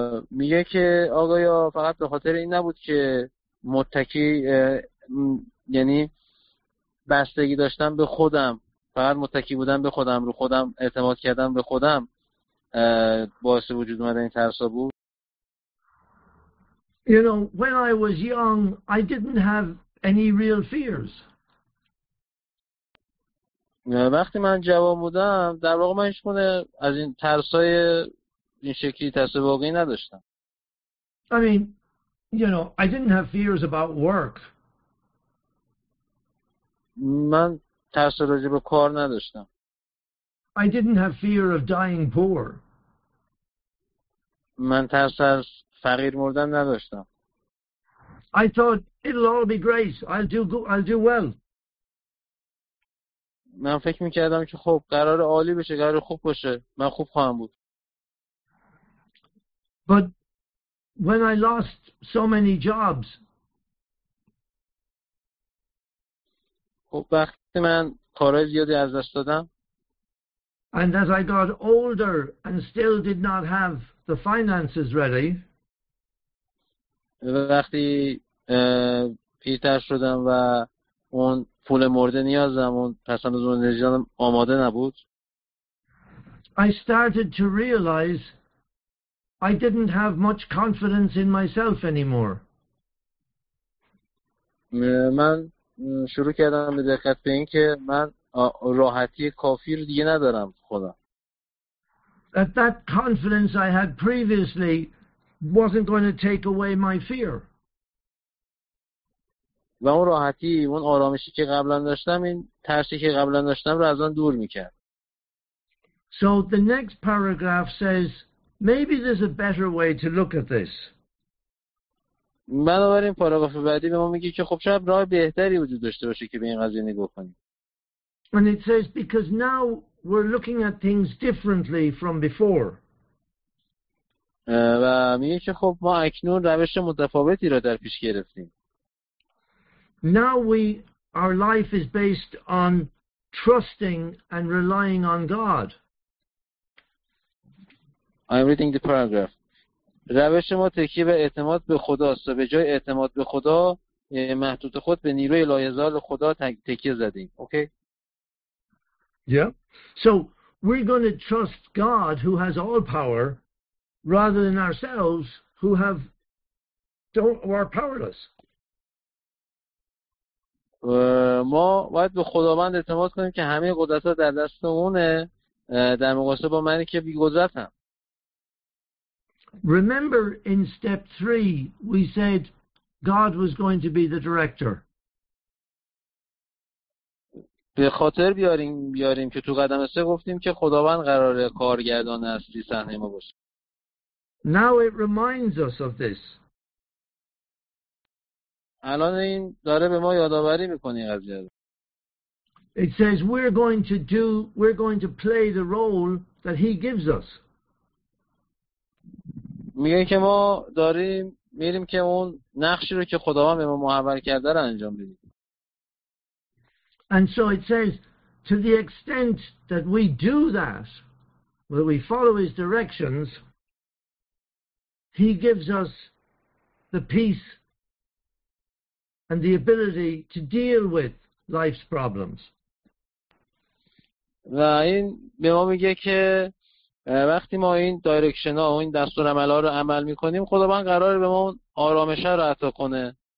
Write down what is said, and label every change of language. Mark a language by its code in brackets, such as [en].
[fa] میگه که آقایا فقط به خاطر این نبود که متکی یعنی بستگی داشتم به خودم، فقط متکی بودم به خودم، رو خودم اعتماد کردم به خودم باعث وجود اومدن این ترس ها بود. [en] You know, when I was young, I didn't have any real fears. [fa] وقتی من جوان بودم، در واقع من هیچ‌گونه از این ترس‌های این شکلی ترس واقعی نداشتم. [en] I mean, you know, I didn't have fears about work. [fa] من ترس راجع به کار نداشتم. [en] I didn't have fear of dying poor. [fa] من ترس از فقیر مردن نداشتم. [en] I thought it'll all be great. I'll do well. [fa] من فکر میکردم که خب قرار عالی بشه، قرار خوب باشه، من خوب خواهم بود. [en] But when I lost so many jobs. [fa] خب وقتی من کارهای زیادی از دست دادم. [en] And as I got older and still did not have the finances ready, [fa] وقتی پیرتر شدم و اون پول مورد نیازم اون پسنداز و نزیدانم آماده نبود [en] I started to realize I didn't have much confidence in myself anymore. [fa] من شروع کردم به دقت به این که من راحتی کافی رو دیگه ندارم خودم. [en] That confidence I had previously wasn't going to take away my fear. [fa] و اون راحتی اون آرامشی که قبلا داشتم این ترسی که قبلا داشتم رو از اون دور میکرد. [en] So the next paragraph says maybe there's a better way to look at this. [fa] بنابراین پاراگراف بعدی به ما میگه که خب شاید راه بهتری وجود داشته باشه که به این قضیه نگاه کنیم. [en] And it says because now we're looking at things differently from before. [fa] و میگه که خب ما اکنون روش متفاوتی را در پیش گرفتیم. [en] Now our life is based on trusting and relying on God. I'm reading the paragraph. [fa] روش ما تکیه به اعتماد به خداست و به جای اعتماد به خدا محدود خود به نیروی لایزال خدا تکیه زدیم. [en] Okay? Yeah. So we're going to trust God who has all power rather than ourselves who are powerless. [fa] ما باید به خداوند اعتماد کنیم که همه قدرت ها در دستمونه در مقایسه با منی که بی‌قدرتم. [en] Remember in step 3 we said God was going to be the director. [fa] به خاطر بیاریم که تو قدم 3 گفتیم که خداوند قرار کارگردان اصلی صحنه ما باشه. [en] Now it reminds us of this. [fa] الان این داره به ما یادآوری میکنه قضیه رو. [en] It says we're going to play the role that he gives us. [fa] میگه که ما داریم میریم که اون نقشی رو که خداوند به ما محول کرده رو انجام بدیم. [en] And so it says to the extent that we do that, that we follow his directions, he gives us the peace and the ability to deal with life's problems. [fa] و این به ما میگه که وقتی ما این دایرکشن ها و این دستور عمل ها رو عمل می کنیم خداوند قراره به ما آرامش ها رو عطا کنه.